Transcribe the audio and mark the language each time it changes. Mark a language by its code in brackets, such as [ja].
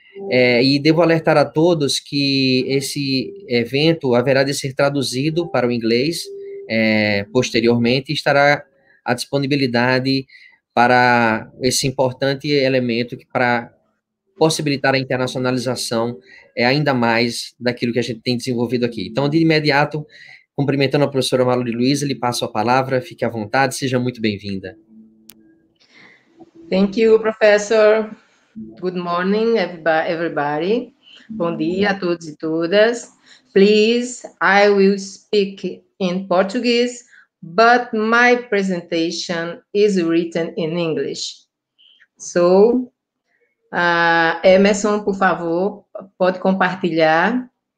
[pt] E devo alertar a todos que esse evento haverá de ser traduzido para o inglês, posteriormente, e estará à disponibilidade para esse importante elemento que para possibilitar a internacionalização ainda mais daquilo que a gente tem desenvolvido aqui. Então, de imediato, cumprimentando a professora Maria Luísa, lhe passo a palavra, fique à vontade, seja muito bem-vinda. [en] Thank you, professor. Good morning, everybody. [pt] Bom dia a todos e todas. [en] Please, I will speak in Portuguese, but my presentation is written in English. [pt] So, Emerson, por favor, pode compartilhar.